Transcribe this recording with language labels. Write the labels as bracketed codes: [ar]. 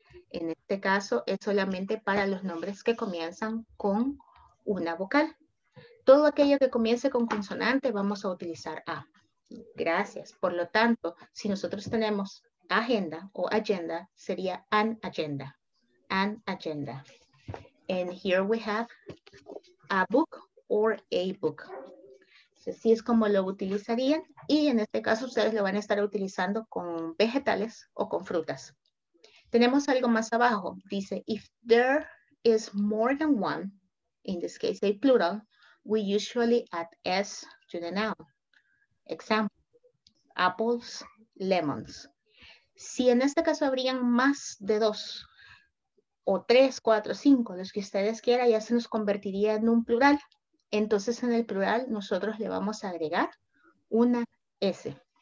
[es] En este caso es solamente para los nombres que comienzan con una vocal. Todo aquello que comience con consonante vamos a utilizar A. Gracias. Por lo tanto, si nosotros tenemos agenda o agenda, sería an agenda. [en] An agenda. And here we have a book or a book. [es] Así es como lo utilizarían. Y en este caso ustedes lo van a estar utilizando con vegetales o con frutas. Tenemos algo más abajo. Dice, [en] if there is more than one, in this case a plural, we usually add S to the noun. Example, apples, lemons. [es] Si en este caso habrían más de dos, o tres, cuatro, cinco, los que ustedes quieran, ya se nos convertiría en un plural. Entonces en el plural nosotros le vamos a agregar una S.